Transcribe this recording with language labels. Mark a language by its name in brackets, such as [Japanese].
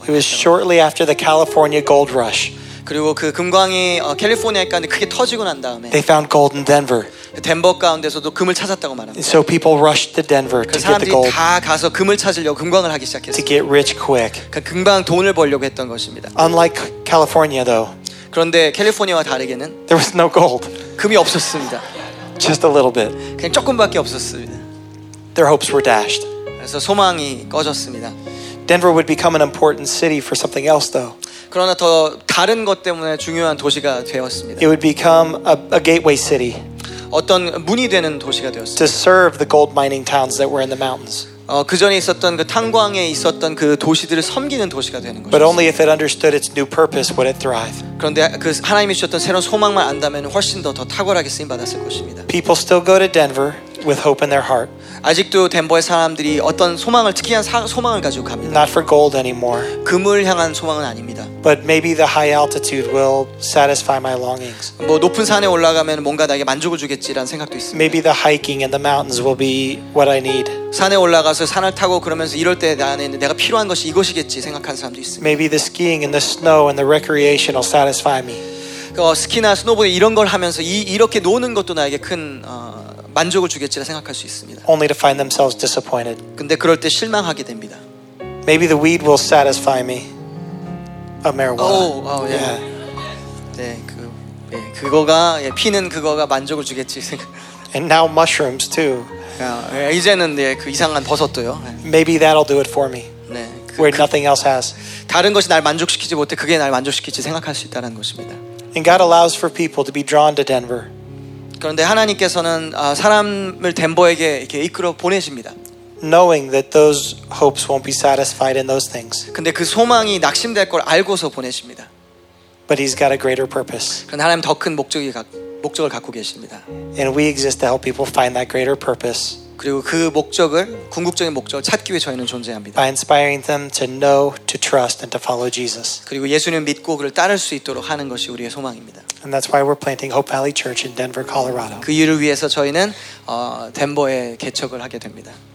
[English] It was shortly after the California gold rush. [Korean] 그리고 그 금광이 캘리포니아 가운데 크게 터지고 난 다음에 [English] They found gold in Denver. [Korean] 덴버 가운데서도 금을 찾았다고 말합니다. [English] So people rushed to Denver to get the gold. [Korean] 그 사람들이 다 가서 금을 찾으려고 금광을 하기 시작했어요. [English] To get rich quick. [Korean] 그 금방 돈을 벌려고 했던 것입니다. [English] Unlike California though. [Korean] 그런데 캘리포니아와 다르게는 [English] There was no gold. [Korean] 금이 없었습니다. [English] Just a little bit. [Korean] 그냥 조금밖에 없었습니다. [English] Their hopes were dashed. [Korean] 그래서 소망이 꺼졌습니다. [English] Denver would become an important city for something else though. [Korean] 그러나 더 다른 것 때문에 중요한 도시가 되었습니다. [English] It would become a gateway city. [Korean] 어떤 문이 되는 도시가 되었습니다. [English] To serve the gold mining towns that were in the mountains. [Korean] 그 전에 있었던 그 탄광에 있었던 그 도시들을 섬기는 도시가 되는 것이죠. [English] But only if it understood its new purpose would it thrive. [Korean] 그런데 그 하나님이 주셨던 새로운 소망만 안다면 훨씬 더 탁월하게 쓰임 받았을 것입니다. [English] People still go to Denver with hope in their heart. [Korean] 아직도 덴버의 사람들이 어떤 소망을 특이한 소망을 가지고 갑니다. [English] Not for gold anymore. [Korean] 금을 향한 소망은 아닙니다. [English] But maybe the high altitude will satisfy my longings. [Korean] 뭐 높은 산에 올라가면 뭔가 나에게 만족을 주겠지라는 생각도 있습니다. [English] Maybe the hiking and the mountains will be what I need. [Korean] 산에 올라가서 산을 타고 그러면서 이럴 때 나는 내가 필요한 것이 이것이겠지 생각하는 사람도 있습니다. [English] Maybe the skiing and the snow and the recreation will satisfy me. [Korean] 스키나 스노보드 이런 걸 하면서 이렇게 노는 것도 나에게 큰 만족을 주겠지라 생각할 수 있습니다. [English] Only to find themselves disappointed. [Korean] 근데 그럴 때 실망하게 됩니다. [English] Maybe the weed will satisfy me. A marijuana. Oh, yeah. [Korean] 네, 그거가 예, 피는 그거가 만족을 주겠지 생각. [English] And now mushrooms too. [Korean] 야, 이제는 네, 그 이상한 버섯도요. [English] Maybe that'll do it for me. [Korean] 네. [English] Where nothing else has. [Korean] 다른 것이 날 만족시키지 못해 그게 날 만족시키지 생각할 수 있다는 것입니다. [English] And God allows for people to be drawn to Denver. [Korean] 그런데 하나님께서는 사람을 덴버에게 이렇게 이끌어 보내십니다. [English] Knowing that those hopes won't be satisfied in those things. [Korean] 근데 그 소망이 낙심될 걸 알고서 보내십니다. [English] But he's got a greater purpose. [Korean] 그런 하나님 더 큰 목적을 갖고 계십니다. [English] And we exist to help people find that greater purpose. [Korean] 그리고 그 목적을 궁극적인 목적을 찾기 위해 저희는 존재합니다. [English] By inspiring them to know, to trust and to follow Jesus. [Korean] 그리고 예수님 믿고 그를 따를 수 있도록 하는 것이 우리의 소망입니다. [English] And that's why we're planting Hope Valley Church in Denver, Colorado. [Korean] 그 이유를 위해서 저희는 덴버에 개척을 하게 됩니다.